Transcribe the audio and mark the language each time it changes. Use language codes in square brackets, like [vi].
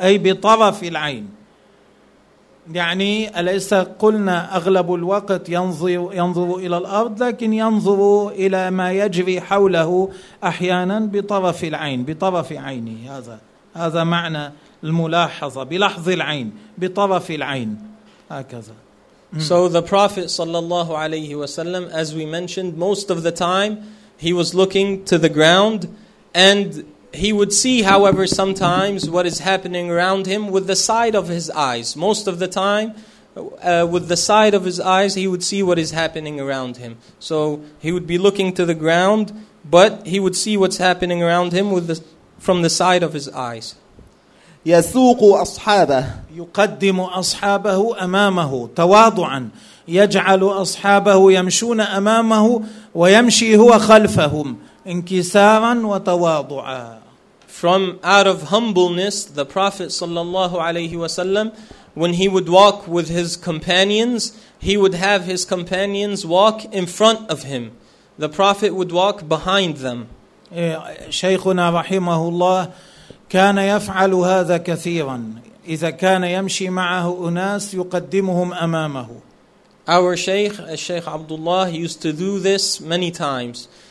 [ar] أي بطرف العين. يعني أليس قلنا أغلب الوقت ينظر إلى الأرض لكن ينظر إلى ما يجري حوله أحيانا بطرف العين بطرف عيني. هذا معنى الملاحظة بلحظ العين بطرف العين هكذا. [en] So the Prophet [ar] صلى الله عليه وسلم, [en] as we mentioned, most of the time he was looking to the ground, and he would see, however, sometimes what is happening around him with the side of his eyes. Most of the time, with the side of his eyes, he would see what is happening around him. So he would be looking to the ground, but he would see what's happening around him from the side of his eyes. [ar] يسوق أصحابه. يقدم أصحابه أمامه تواضعا. يجعل أصحابه يمشون أمامه ويمشي هو خلفهم انكسارا وتواضعا. [en] From out of humbleness, the Prophet [ar] sallallahu alayhi wasallam, [en] when he would walk with his companions, he would have his companions walk in front of him. The Prophet would walk behind them. [ar] شيخنا رحمه الله كان يفعل هذا كثيرا. إذا كان يمشي معه أناس يقدمهم أمامه. [en] Our Shaykh, Shaykh Abdullah, used to do this many times.